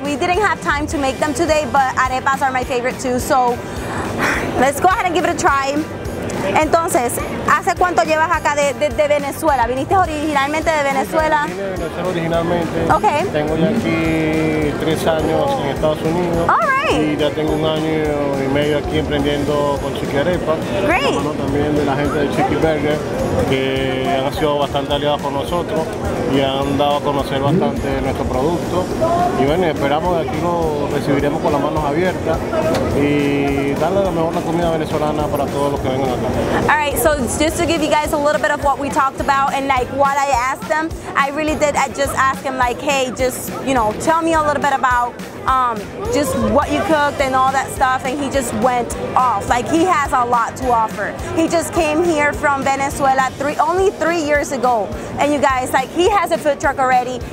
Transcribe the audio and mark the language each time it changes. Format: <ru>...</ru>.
<en>We didn't have time to make them today, but arepas are my favorite too. So let's go ahead and give it a try.</en> <es>Entonces, ¿hace cuánto llevas acá de Venezuela? ¿Viniste originalmente de Venezuela? Sí, vine de Venezuela originalmente.</es> <en>Okay.</en> <es>Tengo ya aquí 3 años en Estados Unidos.</es> <en>All right.</en> <es>Y ya tengo 1 año y medio aquí emprendiendo con Chiqui Arepa.</es> <en>Great.</en> <es>Bueno, también de la gente de Chiqui Burger, que han sido bastante aliados con nosotros y han dado a conocer bastante nuestro producto. Y bueno, esperamos que aquí lo recibiremos con las manos abiertas y darle la mejor comida venezolana para todos los que vengan acá.</es> <en>All right. So just to give you guys a little bit of what we talked about and like what I asked them, I just asked him like, hey, just, you know, tell me a little bit about just what you cooked and all that stuff, and he just went off. Like, he has a lot to offer. He just came here from Venezuela only three years ago, and you guys, like, he has a food truck already.</en>